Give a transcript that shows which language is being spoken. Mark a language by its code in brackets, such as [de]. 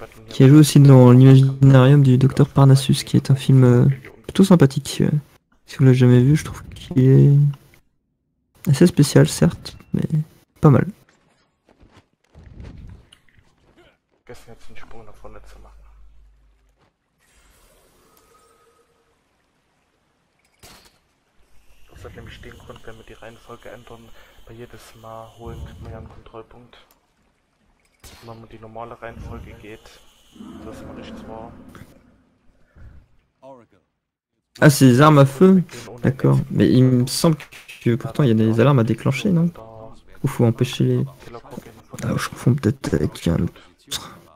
[fr] Qui a joué aussi dans l'Imaginarium du Docteur Parnassus, qui est un film plutôt sympathique. Si vous l'avez jamais vu, je trouve qu'il est... assez spécial, certes, mais pas mal. [de] Das hat nämlich den Grund, wenn wir die Reihenfolge ändern, bei jedes Mal holen wir einen Kontrollpunkt. Wenn man die normale Reihenfolge geht, das mache ich zwar. [fr] Ah, c'est des armes à feu? D'accord. Mais il me semble que pourtant il y a des alarmes à déclencher, non? Ou faut empêcher les... Ah, je confonds peut-être avec un autre.